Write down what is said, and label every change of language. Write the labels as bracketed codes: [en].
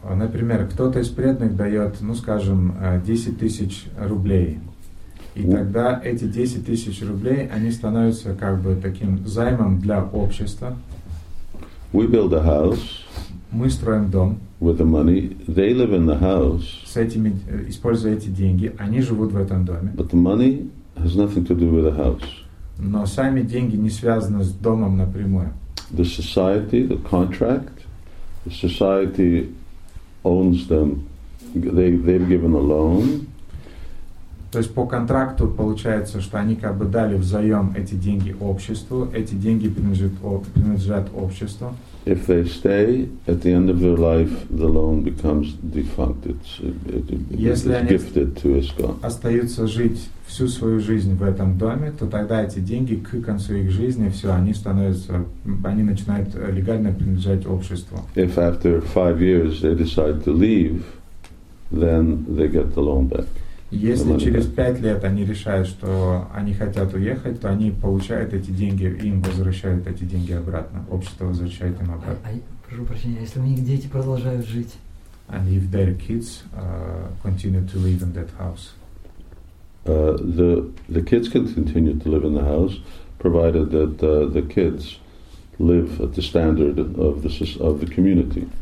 [ru] Например, кто-то из преданных дает, ну скажем, 10 тысяч рублей. И тогда эти 10 тысяч рублей, они становятся как бы таким займом для общества. [en] We build a house. [ru] Мы строим дом. [en] With the money, they live in the house. [ru] С этими, используя эти деньги, они живут в этом доме. [en] But the money has nothing to do with the house. [ru] Но сами деньги не связаны с домом напрямую. [en] The society, the contract, the society owns them. They've given a loan. [ru] То есть по контракту получается, что они как бы дали взаем эти деньги обществу, эти деньги принадлежат обществу. [en] If they stay, at the end of their life, the loan becomes defunct. It's gifted to ISKCON. [ru] Если они остаются жить всю свою жизнь в этом доме, то тогда эти деньги к концу их жизни, все, они становятся, они начинают легально принадлежать обществу. [en] If after 5 years they decide to leave, then they get the loan back. [ru] Если через 5 лет они решают, что они хотят уехать, то они получают эти деньги, им возвращают эти деньги обратно. Общество возвращает им обратно. Прошу прощения, если у них дети продолжают жить? [en] And if their kids continue to live in that house? The kids can continue to live in the house, provided that the kids live at the standard of the community.